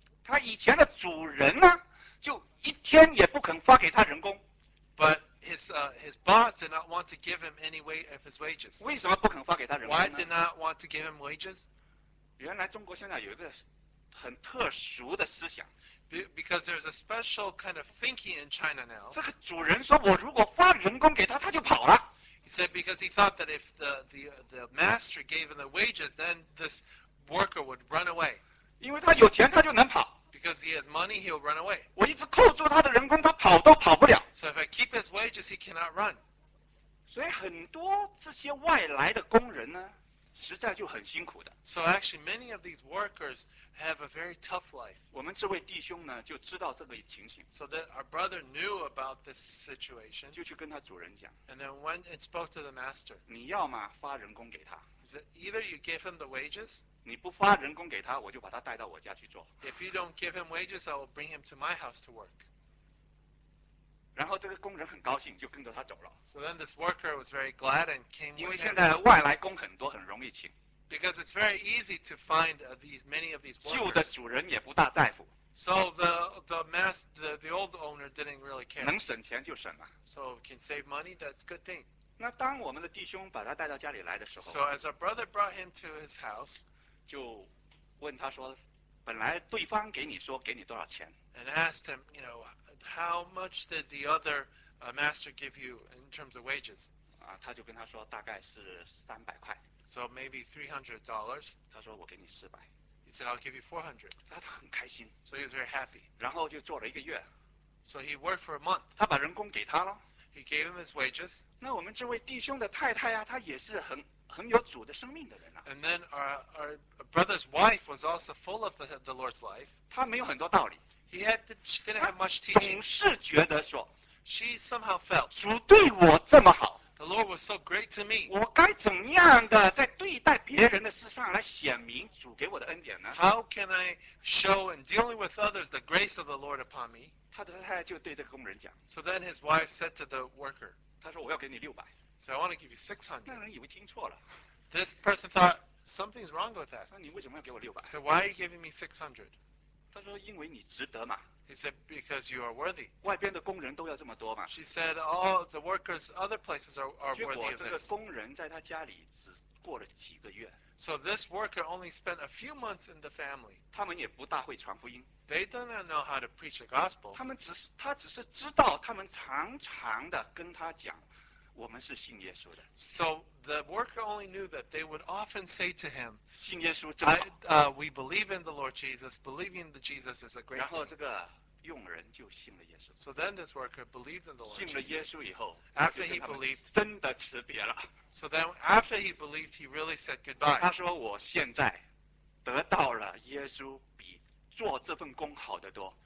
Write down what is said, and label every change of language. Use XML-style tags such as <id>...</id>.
<zh>他以前的主人呢，就一天也不肯发给他人工。</zh> <en>But his boss did not want to give him any way of his wages.</en> <zh>为什么不肯发给他人工呢？</zh> <en>Why did not want to give him wages?</en> <zh>原来中国现在有一个很特殊的思想。</zh> <en>Because there's a special kind of thinking in China now.</en> <zh>这个主人说，我如果发人工给他，他就跑了。</zh> <en>He said because he thought that if the master gave him the wages, then this worker would run away.</en> <zh>因为他有钱，他就能跑。</zh> <en>Because he has money, he'll run away.</en> <zh>我一直扣住他的人工，他跑都跑不了。</zh> <en>So if I keep his wages, he cannot run.</en> <zh>所以很多这些外来的工人呢，实在就很辛苦的。</zh> <en>So actually, many of these workers have a very tough life.</en> <zh>我们这位弟兄呢，就知道这个情形。</zh> <en>So that our brother knew about this situation.</en> <zh>就去跟他主人讲。</zh> <en>And then went and spoke to the master.</en> <zh>你要嘛发人工给他。</zh> <en>Is it either you give him the wages?</en> <zh>你不发人工给他，我就把他带到我家去做。</zh> <en>If you don't give him wages, I will bring him to my house to work.</en> <zh>然后这个工人很高兴，就跟着他走了。</zh> <en>So then this worker was very glad and came.</en> <zh>因为现在外来工很多，很容易请。</zh> <en>Because it's very easy to find these many of these workers.</en> <zh>旧的主人也不大在乎。</zh> <en>So the old owner didn't really care.</en> <zh>能省钱就省嘛。</zh> <en>So can save money, that's a good thing.</en> <zh>那当我们的弟兄把他带到家里来的时候</zh> <en>，So as our brother brought him to his house.</en> <zh>就问他说，本来对方给你说给你多少钱</zh> <en>？And asked him, you know, how much did the other master give you in terms of wages?</en> <zh>啊，他就跟他说大概是300块。</zh> <en>So maybe $300.</en> <zh>他说我给你400。</zh> <en>He said I'll give you $400.</en> <zh>他很开心。</zh> <en>So he was very happy.</en> <zh>然后就做了一个月。</zh> <en>So he worked for a month.</en> <zh>他把人工给他了。</zh> <en>He gave him his wages.</en> <zh>那我们这位弟兄的太太啊，她也是很有主的生命的人啊。</zh> <en>And then our brother's wife was also full of the Lord's life.</en> <zh>她没有很多道理。</zh> <en>She didn't have much teaching.</en> <zh>总是觉得说</zh> <en>，She somehow felt</en> <zh>主对我这么好。</zh> <en>The Lord was so great to me.</en> <zh>我该怎样的在对待别人的事上来显明主给我的恩典呢</zh> <en>？How can I show in dealing with others the grace of the Lord upon me?</en> <zh>他的太太就对这个工人讲。</zh> <en>So then his wife said to the worker.</en> <zh>他说我要给你600。</zh> <en>So I want to give you 600.</en> <zh>那人以为听错了。</zh> <en>This person thought something's wrong with that.</en> <zh>那你为什么要给我600</zh> <en>？So why are you giving me 600？</en> <zh>他说因为你值得嘛。</zh> <en>He said because you are worthy.</en> <zh>外边的工人都要这么多嘛。</zh> <en>She said all the workers other places are worthy of this.</en> <zh>结果这个工人在他家里只过了几个月。</zh> <en>So this worker only spent a few months in the family.</en> <zh>他们也不大会传福音。</zh> <en>They do not know how to preach the gospel.</en> <zh>他只是知道他们常常的跟他讲，我们是信耶稣的。</zh> <en>So the worker only knew that they would often say to him,</en> <zh>信耶稣真好。</zh> <en>We believe in the Lord Jesus. Believing in Jesus is a great thing.</en> <zh>然后这个佣人就信了耶稣。</zh> <en>So then this worker believed in the Lord Jesus.</en> <zh>信了耶稣以后</zh> <en>，After he believed,</en> <zh>真的辞别了。</zh> <en>So then after he believed, he really said goodbye.</en> <zh>他说我现在得到了耶稣比做这份工好得多。</zh>